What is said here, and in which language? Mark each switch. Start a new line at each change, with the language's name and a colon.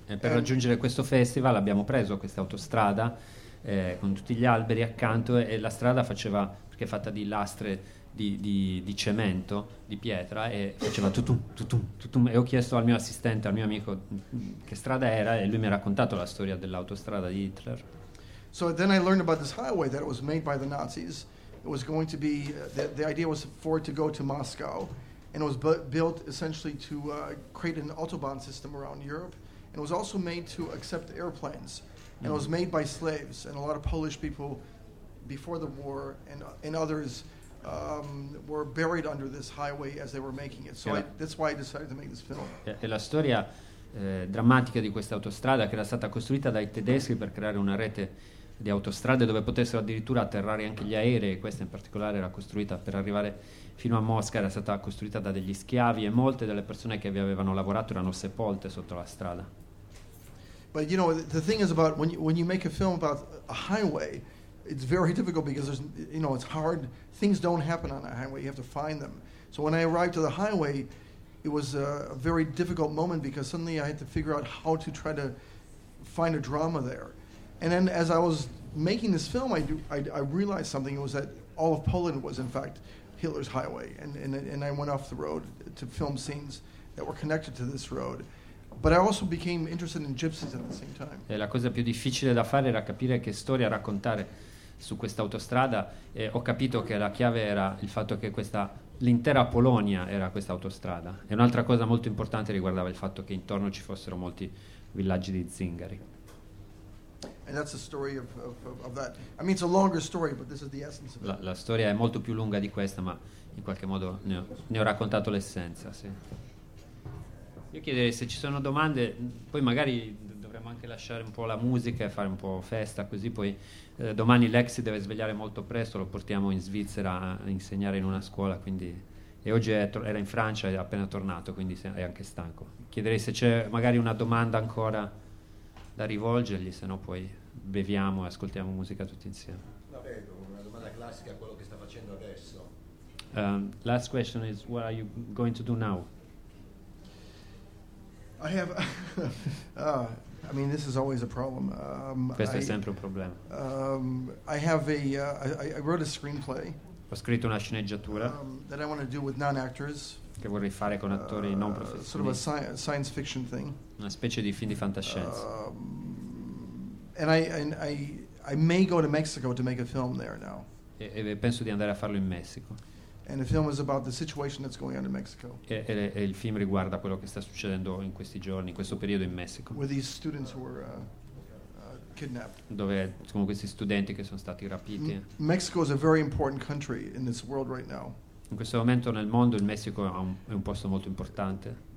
Italian: E per raggiungere questo festival abbiamo preso questa autostrada con tutti gli alberi accanto, e la strada faceva, perché è fatta di lastre di cemento, di pietra, e faceva tutum, tutum, tutum, e ho chiesto al mio assistente, al mio amico, che strada era, e lui mi ha raccontato la storia dell'autostrada di Hitler.
English: So then I learned about this highway that it was made by the Nazis. It was going to be the idea was for it to go to Moscow, and it was built essentially to create an autobahn system around Europe, and it was also made to accept airplanes, and it was made by slaves and a lot of Polish people before the war and others were buried under this highway as they were making it. That's why I decided to make this film.
Italian: E la storia drammatica di questa autostrada, che era stata costruita dai tedeschi per creare una rete di autostrade dove potessero addirittura atterrare anche gli aerei. Questa in particolare era costruita per arrivare fino a Mosca, era stata costruita da degli schiavi, e molte delle persone che vi avevano lavorato erano sepolte sotto la strada.
English: But you know, the thing is about when you make a film about a highway, it's very difficult because there's, you know, it's hard. Things don't happen on a highway; you have to find them. So when I arrived to the highway, it was a very difficult moment because suddenly I had to figure out how to try to find a drama there. And then as I was making this film, I realized something. It was that all of Poland was in fact Hitler's highway, and I went off the road to film scenes that were connected to this road. But I also became interested in gypsies at the same time.
Italian: E la cosa più difficile da fare era capire che storia raccontare su questa autostrada, e ho capito che la chiave era il fatto che questa l'intera Polonia era questa autostrada. E un'altra cosa molto importante riguardava il fatto che intorno ci fossero molti villaggi di zingari.
English: And that's the story of that. I mean, it's a longer story, but this is the essence of it.
Italian: La storia è molto più lunga di questa, ma in qualche modo ne ho raccontato l'essenza, sì. Io chiederei se ci sono domande, poi magari dovremmo anche lasciare un po' la musica e fare un po' festa, così poi domani Lex si deve svegliare molto presto, lo portiamo in Svizzera a insegnare in una scuola, quindi, e oggi era in Francia, è appena tornato, quindi è anche stanco. Chiederei se c'è magari una domanda ancora da rivolgergli, se no poi beviamo e ascoltiamo musica tutti insieme. La vedo, una domanda classica a quello che sta facendo adesso.
English: Last question is, what are you going to do now? I have. I mean, this is always a problem.
Italian: Questo è sempre un problema.
English: I have a. I wrote a screenplay.
Italian: Ho scritto una sceneggiatura.
English: That I want to do with non-actors.
Italian: Che vorrei fare con attori non professionisti.
English: Sort of a science fiction thing.
Italian: Una specie di film di fantascienza.
English: And I may go to Mexico to make a film there now.
Italian: E penso di andare a farlo in Messico.
English: And the film is about the situation that's going on in Mexico.
Italian: E il film riguarda quello che sta succedendo in questi giorni, in questo periodo in Messico.
English: Where these students were kidnapped.
Italian: Dove sono questi studenti che sono stati rapiti.
English: Mexico is a very important country in this world right now.
Italian: In questo momento nel mondo il Messico è un posto molto importante.